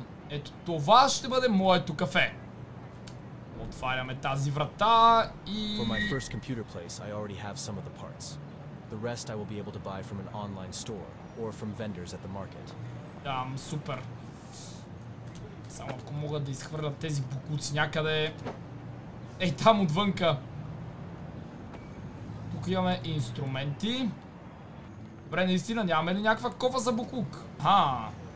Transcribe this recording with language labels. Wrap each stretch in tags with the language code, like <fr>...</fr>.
<bg>Ето това ще бъде моето кафе. Отваряме тази врата и...</bg> <en>For my first computer place, I already have some of the parts. The rest I will be able to buy from an online store. Or from vendors at the market.</en> <bg>Там, супер. Само ако мога да изхвърля тези бокуци някъде. Ей, там отвънка. Тук имаме инструменти. Добре, наистина, нямаме ли някаква кова за бокук? Аха.</bg>